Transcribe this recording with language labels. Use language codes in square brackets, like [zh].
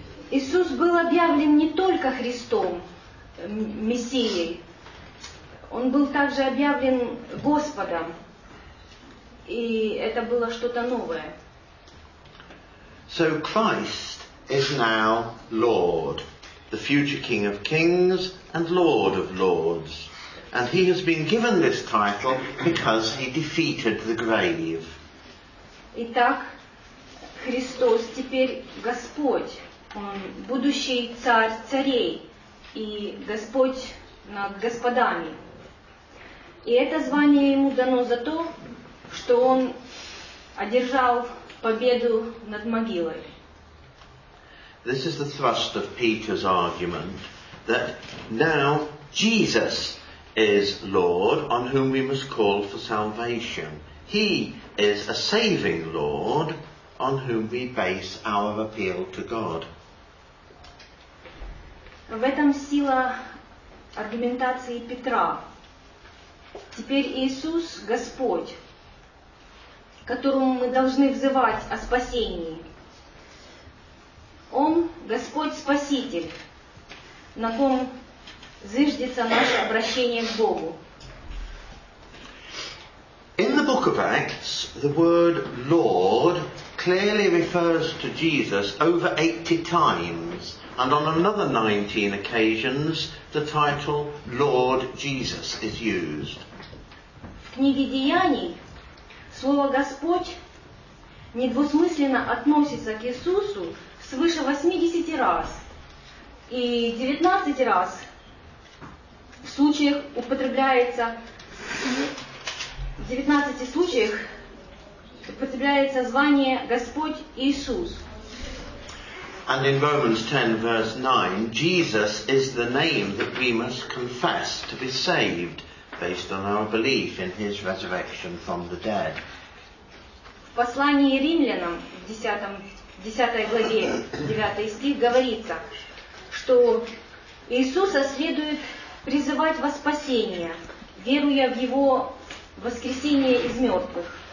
[ru] Иисус был объявлен не только Христом, Мессией. Он был также объявлен Господом, и это было что-то новое. [en] So Christ is now Lord, the future King of Kings and Lord of Lords. And he has been given this title because he defeated the grave. [ru] Итак, Христос теперь Господь. Он будущий царь царей и Господь над господами. И это звание ему дано за то, что он одержал победу над могилой. [en] This is the thrust of Peter's argument, that now Jesus is Lord on whom we must call for salvation. He is a saving Lord on whom we base our appeal to God. [ru] В этом сила аргументации Петра. Теперь Иисус Господь, которому мы должны взывать о спасении. Он Господь-Спаситель, на ком зиждется наше обращение к Богу. [en] In the book of Acts, the word Lord clearly refers to Jesus over 80 times, and on another 19 occasions, the title Lord Jesus is used. [ru] В книге Деяний слово Господь недвусмысленно относится к Иисусу свыше 80 раз и 19 раз в случаях употребляется 19 случаях употребляется звание Господь Иисус. [en] And in Romans 10 verse 9, Jesus is the name that we must confess to be saved based on our belief in his resurrection from the dead. [ru] В послании Римлянам в 10 главе, 9 стих говорится, что Иисуса следует призывать во спасение, веруя в его воскресение из мертвых.